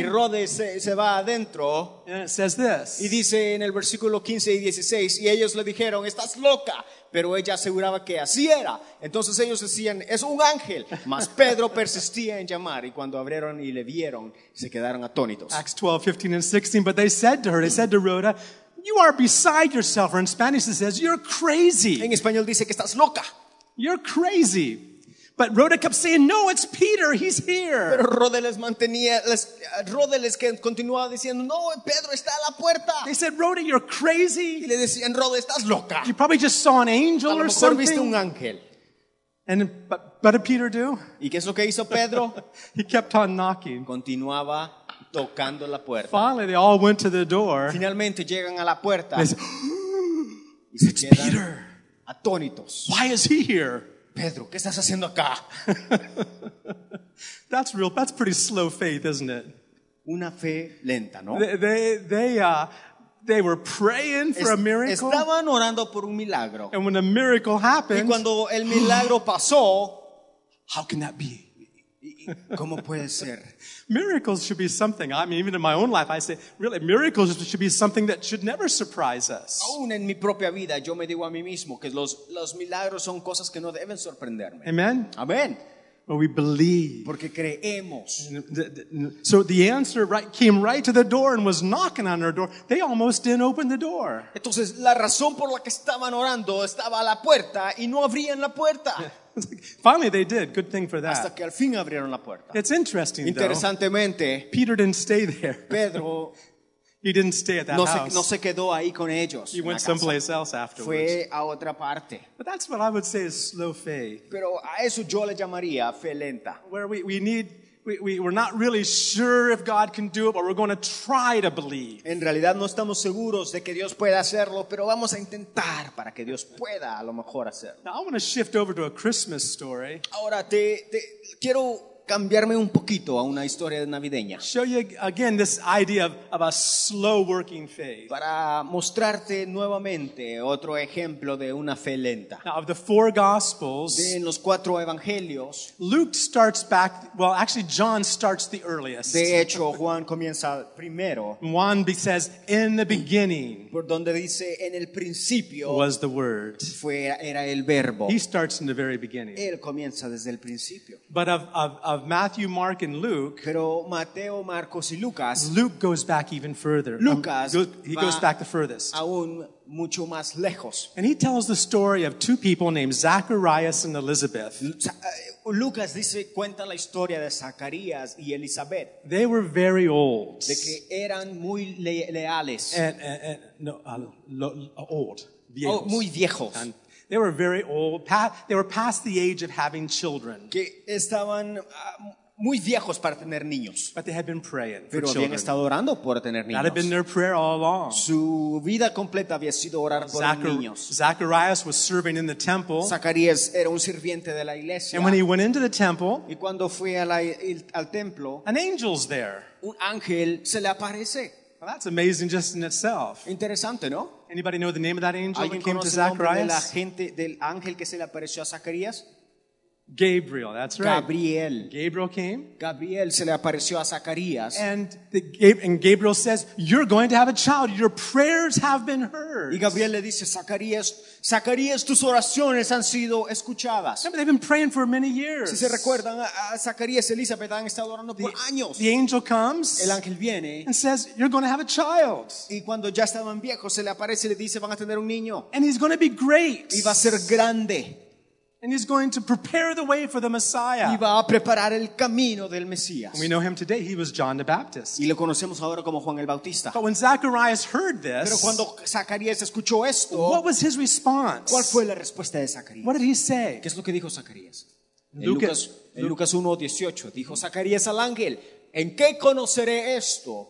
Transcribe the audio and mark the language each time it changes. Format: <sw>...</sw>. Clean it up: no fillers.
<es>Y Rhoda se va adentro.</es> <en>And it says this.</en> <es>Y dice en el versículo 15 y 16, y ellos le dijeron, estás loca. Pero ella aseguraba que así era. Entonces ellos decían, es un ángel. Mas Pedro persistía en llamar. Y cuando abrieron y le vieron, se quedaron atónitos.</es> <en>Acts 12:15-16. But they said to her, they said to Rhoda, You are beside yourself. Or in Spanish it says, you're crazy.</en> <es>En español dice que estás loca.</es> <en>You're crazy. But Rhoda kept saying, no, it's Peter, he's here.</en> <es>Pero Rhoda les mantenía, continuaba diciendo, no, Pedro está a la puerta.</es> <en>They said, Rhoda, you're crazy.</en> <es>Y le decían, Rhoda, estás loca.</es> <en>You probably just saw an angel or something.</en> <es>A lo mejor viste un ángel.</es> <en>And, but did Peter do?</en> <es>¿Y qué es lo que hizo Pedro?</es> <en>He kept on knocking.</en> <es>Continuaba tocando la puerta.</es> <en>Finally, they all went to the door.</en> <es>Finalmente llegan a la puerta.</es> <en>They said, it's</en> <es>quedan</es> <en>Peter.</en> <es>Atónitos.</es> <en>Why is he here?</en> <es>Pedro, ¿qué estás haciendo acá?</es> <en>That's real. That's pretty slow faith, isn't it?</en> <es>Una fe lenta, ¿no?</es> <en>They were praying for a miracle.</en> <es>Estaban orando por un milagro.</es> <en>And when a miracle happened,</en> <es>y cuando el milagro pasó,</es> <en>how can that be?</en> <es>¿Cómo puede ser?</es> <en>Miracles should be something. I mean, even in my own life, I say, really, miracles should be something that should never surprise us.</en> <es>Aún en mi propia vida, yo me digo a mí mismo que los milagros son cosas que no deben sorprenderme. Amen. Amen.</es> <en>But we believe.</en> <es>Porque creemos.</es> <en>So the answer came right to the door and was knocking on her door. They almost didn't open the door.</en> <es>Entonces, la razón por la que estaban orando estaba a la puerta y no abrían la puerta.</es> <en>Finally, they did. Good thing for that.</en> <es>Hasta que al fin abrieron la puerta.</es> <en>It's interesting,</en> <es>interesantemente,</es> <en>though. Peter didn't stay there.</en> <es>Pedro,</es> <en>he didn't stay at that house.</en> <es>No se quedó ahí con ellos.</es> <en>He went someplace else afterwards.</en> <es>Fue a otra parte.</es> <en>But that's what I would say is slow faith.</en> <es>Pero a eso yo le llamaría fe lenta.</es> <en>Where we're not really sure if God can do it, but we're going to try to believe.</en> <es>En realidad no estamos seguros de que Dios pueda hacerlo, pero vamos a intentar para que Dios pueda a lo mejor hacerlo.</es> <en>Now I want to shift over to a Christmas story.</en> <es>Ahora te quiero cambiarme un poquito a una historia navideña.</es> <en>Show you again this idea of a slow working faith.</en> <es>Para mostrarte nuevamente otro ejemplo de una fe lenta.</es> <en>Now, of the four gospels,</en> <es>en los cuatro evangelios,</es> <en>Luke starts back, well actually John starts the earliest.</en> <es>De hecho Juan comienza primero.</es> <en>Juan says in the beginning.</en> <es>Por donde dice en el principio.</es> <en>Was the word.</en> <es>Era el verbo.</es> <en>He starts in the very beginning.</en> <es>Él comienza desde el principio.</es> <en>But of Matthew, Mark, and Luke.</en> <es>Pero Mateo, Marcos, y Lucas.</es> <en>Luke goes back even further.</en> <es>Lucas.</es> <en>He goes back the furthest.</en> <es>Aún mucho más lejos.</es> <en>And he tells the story of two people named Zacharias and Elizabeth.</en> <es>Lucas dice cuenta la historia de Zacarías y Elizabeth.</es> <en>They were very old.</en> <es>De que eran muy leales.</es> <en>Old.</en> <es>Viejos. Oh, muy viejos.</es> <en>And they were very old. They were past the age of having children.</en> <es>Que estaban muy viejos para tener niños.</es> <en>But they had been praying for children.</en> <es>Habían estado orando por tener niños.</es> <en>That had been their prayer all along.</en> <es>Su vida completa había sido orar por niños.</es> <en>Zacharias was serving in the temple.</en> <es>Zacarías era un sirviente de la iglesia.</es> <en>And when he went into the temple,</en> <es>y cuando fue al templo,</es> <en>an angel's there.</en> <es>Un ángel se le aparece.</es> <en>Well, that's amazing just in itself.</en> <es>Interesante, ¿no?</es> <en>Anybody know the name of that angel that came to Zacharias?</en> <es>De la gente, del ángel que se le apareció a Zacarías?</es> <en>Gabriel, that's right.</en> <es>Gabriel.</es> <en>Gabriel came.</en> <es>Gabriel se le apareció a Zacarías.</es> <en>And Gabriel says, you're going to have a child. Your prayers have been heard.</en> <es>Y Gabriel le dice, Zacarías, tus oraciones han sido escuchadas.</es> <en>Remember, they've been praying for many years.</en> <es>Si se recuerdan, a Zacarías y Elizabeth han estado orando por años.</es> <en>The angel comes.</en> <es>El ángel viene.</es> <en>And says, you're going to have a child.</en> <es>Y cuando ya estaban viejos, se le aparece y le dice, van a tener un niño.</es> <en>And he's going to be great.</en> <es>Y va a ser grande.</es> <en>And he's going to prepare the way for the Messiah.</en> <es>Y va a preparar el camino del Mesías.</es> <en>We know him today. He was John the Baptist.</en> <es>Y lo conocemos ahora como Juan el Bautista.</es> <en>But when Zacharias heard this,</en> <es>pero cuando Zacarías escuchó esto,</es> <en>what was his response?</en> <es>¿Cuál fue la respuesta de Zacarías?</es> <en>What did he say?</en> <es>¿Qué es lo que dijo Zacarías? Lucas 1:18 dijo Zacarías al ángel, ¿en qué conoceré esto?</es>